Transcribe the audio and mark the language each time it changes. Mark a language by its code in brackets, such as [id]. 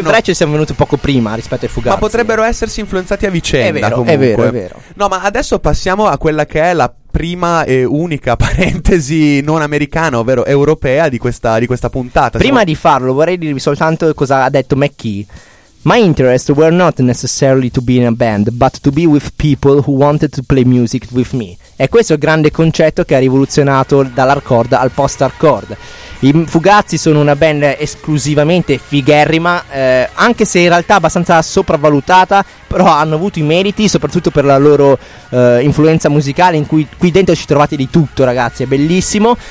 [it] che Wretched siano venuti poco prima rispetto ai Fugazzi. Ma potrebbero essersi influenzati a vicenda. È vero. No, ma adesso passiamo a quella che è la prima e unica parentesi non americana, ovvero europea, di questa puntata. Prima di farlo vorrei dirvi soltanto cosa ha detto McKee. [en] My interests were not necessarily to be in a band, but to be with people who wanted to play music with me. [it] E questo è il grande concetto che ha rivoluzionato dall'hardcore al post-hardcore. I Fugazzi sono una band esclusivamente figherrima, anche se in realtà abbastanza sopravvalutata, però hanno avuto i meriti, soprattutto per la loro influenza musicale, in cui qui dentro ci trovate di tutto, ragazzi, è bellissimo.